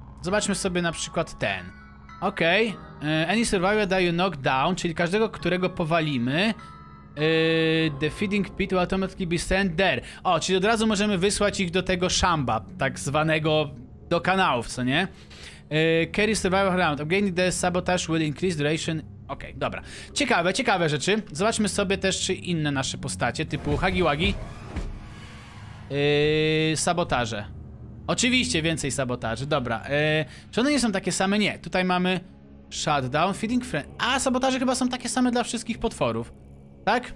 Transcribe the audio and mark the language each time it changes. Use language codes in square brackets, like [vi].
[pl] Zobaczmy sobie na przykład ten. Okej. [en] Any survivor that you knock down, [pl] czyli każdego, którego powalimy. [en] The feeding pit will automatically be sent there. [pl] O, czyli od razu możemy wysłać ich do tego szamba, tak zwanego do kanałów, co nie? [en] Carry survivor around. Upgrading the sabotage will increase duration. [pl] Okej, dobra. Ciekawe, ciekawe rzeczy. Zobaczmy sobie też, czy inne nasze postacie, typu Hagiwagi. Sabotaże. Oczywiście więcej sabotaży, dobra. Czy one nie są takie same? Nie. Tutaj mamy shutdown, feeding frenzy. A, sabotaże chyba są takie same dla wszystkich potworów. Tak?